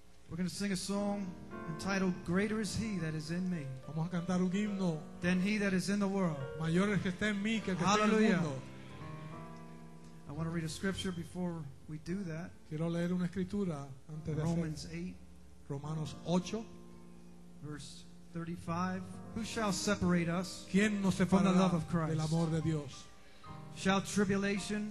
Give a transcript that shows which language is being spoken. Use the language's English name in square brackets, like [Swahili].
[English] We're going to sing a song entitled "Greater Is He That Is In Me." [Spanish] Vamos a cantar un himno. [English] Than he that is in the world. [Spanish] Mayor es que está en mí que el que está en el mundo. [English] I want to read a scripture before we do that. [Spanish] Quiero leer una escritura antes de [English] Romans [Spanish] hacer. 8. Romanos 8. [English] Verse 35. Who shall separate us? [Spanish] ¿Quién nos separará [English] from the love of Christ? [Spanish] Del amor de Dios. [English] Shall tribulation?